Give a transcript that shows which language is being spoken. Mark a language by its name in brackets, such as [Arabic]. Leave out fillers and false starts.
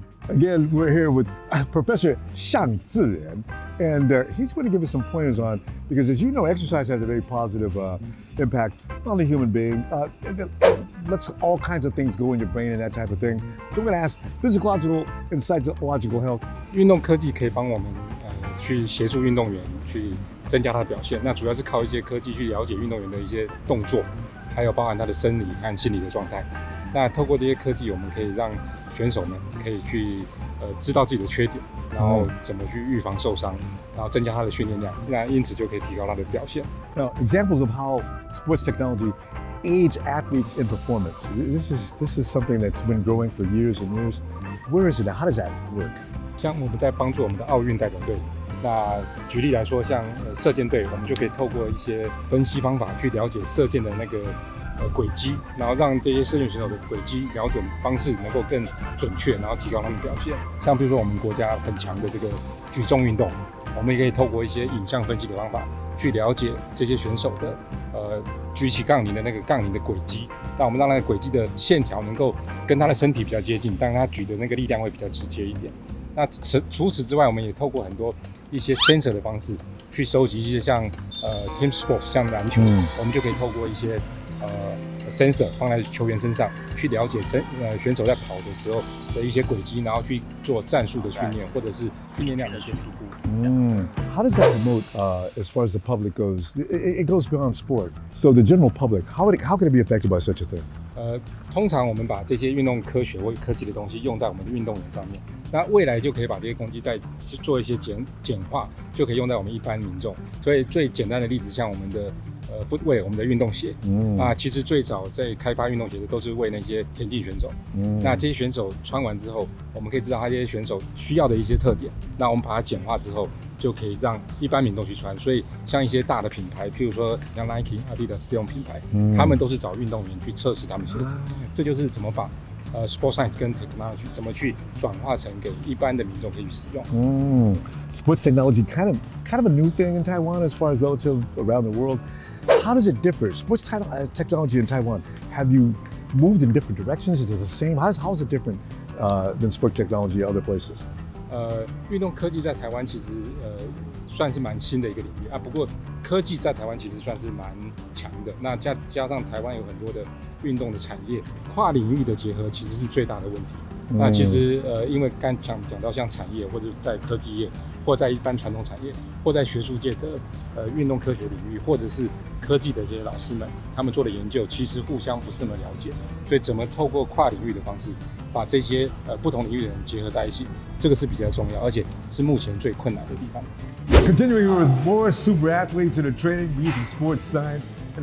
[English] Again, we're here with Professor Xiang Ziren, and he's going to give us some pointers on, because as you know, exercise has a very positive impact on the human being. Lets all kinds of things go in your brain and that type of thing. So I'm going to ask, physiological insights of logical health. [Chinese] 运动科技可以帮我们去协助运动员去增加他的表现。那主要是靠一些科技去了解运动员的一些动作，还有包含他的生理和心理的状态。那透过这些科技，我们可以让选手们可以去知道自己的缺点，然后怎么去预防受伤，然后增加他的训练量，那因此就可以提高他的表现。 [English] Now, examples of how sports technology aids athletes in performance. This is something that's been growing for years and years. Where is it? How does that work? [Chinese] 像我们在帮助我们的奥运代表队，那举例来说，像射箭队，我们就可以透过一些分析方法去了解射箭的那个轨迹，然后让这些射箭选手的轨迹瞄准方式能够更准确，然后提高他们的表现。像比如说我们国家很强的这个举重运动，我们也可以透过一些影像分析的方法去了解这些选手的举起杠铃的那个杠铃的轨迹，那我们让那个轨迹的线条能够跟他的身体比较接近，但他举的那个力量会比较直接一点。那除此之外，我们也透过很多一些 sensor 的方式去收集一些像 [English] team sports [Chinese] 像篮球，我们就可以透过一些sensor 放在球员身上，去了解选手在跑的时候的一些轨迹，然后去做战术的训练或者是训练量的一些评估。 [English] How does that promote as far as the public goes? It goes beyond sport. So the general public, how can it be affected by such a thing? [Chinese] 通常我们把这些运动科学或科技的东西用在我们的运动员上面，那未来就可以把这些工具再做一些简化，就可以用在我们一般民众。所以最简单的例子，像我们的footwear， 我们的运动鞋，那其实最早在开发运动鞋的都是为那些田径选手。那这些选手穿完之后，我们可以知道他这些选手需要的一些特点，那我们把它简化之后，就可以让一般民众去穿。所以像一些大的品牌，譬如说像 Nike、Adidas 这种品牌，他们都是找运动员去测试他们鞋子。这就是怎么把 [English] sports science [Chinese] 跟 [English] technology [Chinese] 怎么去转化成给一般的民众可以使用。 [English] Sports technology kind of a new thing in Taiwan as far as relative around the world. How does it differ? Sports technology in Taiwan, have you moved in different directions? Is it the same? How is it different than sports technology other places? [Chinese] 运动科技在台湾其实算是蛮新的一个领域啊。不过科技在台湾其实算是蛮强的。那加上台湾有很多的运动的产业，跨领域的结合其实是最大的问题。那其实因为刚讲到像产业或者在科技业，或在一般传统产业，或在学术界的运动科学领域，或者是科技的这些老师们，他们做的研究其实互相不是那么了解，所以怎么透过跨领域的方式，把这些不同领域的人结合在一起，这个是比较重要，而且是目前最困难的地方。 [English] Continuing with more super athletes in the training using sports science.